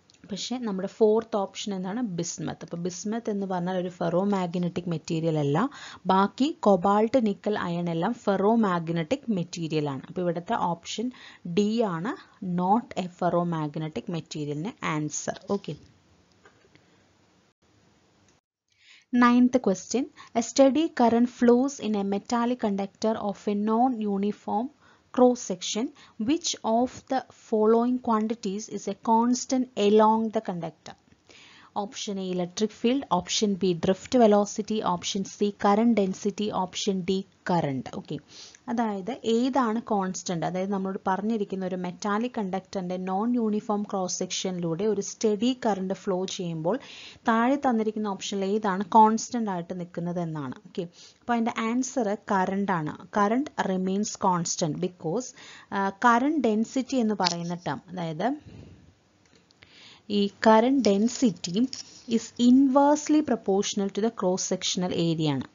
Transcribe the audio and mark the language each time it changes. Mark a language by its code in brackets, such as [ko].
[ml] പക്ഷെ നമ്മുടെ fourth option എന്താണ് ബിസ്മത്ത്. അപ്പോൾ ബിസ്മത്ത് എന്ന് പറഞ്ഞാൽ ഒരു ഫെറോമാഗ്നറ്റിക് മെറ്റീരിയൽ അല്ല, ബാക്കി കോബാൾട്ട്, നിക്കൽ, അയൺ എല്ലാം ഫെറോമാഗ്നറ്റിക് മെറ്റീരിയൽ ആണ്. അപ്പോൾ ഇവിടുത്തെ ഓപ്ഷൻ ഡി ആണ്, [en] not a ferromagnetic മെറ്റീരിയലിന് [ml] answer. Okay. [en] Ninth question, a steady current flows in a metallic conductor of a non-uniform cross section, which of the following quantities is a constant along the conductor? Option A, electric field. Option B, drift velocity. Option C, current density. Option D, current. Okay, [ml] അതായത് ഏതാണ് constant, അതായത് നമ്മളോട് പറഞ്ഞിരിക്കുന്ന ഒരു metallic കണ്ടക്ടറിന്റെ non uniform cross സെക്ഷനിലൂടെ ഒരു study current flow ചെയ്യുമ്പോൾ താഴെ തന്നിരിക്കുന്ന ഓപ്ഷനിൽ ഏതാണ് കോൺസ്റ്റന്റ് ആയിട്ട് നിൽക്കുന്നത് എന്നാണ്. ഓക്കെ, അപ്പോൾ അതിൻ്റെ ആൻസർ കറണ്ട് ആണ്. [en] current remains constant because current density [ml] എന്ന് പറയുന്ന ടേം, അതായത് ഈ [en] current density is inversely proportional to the cross sectional area [ml] ആണ്.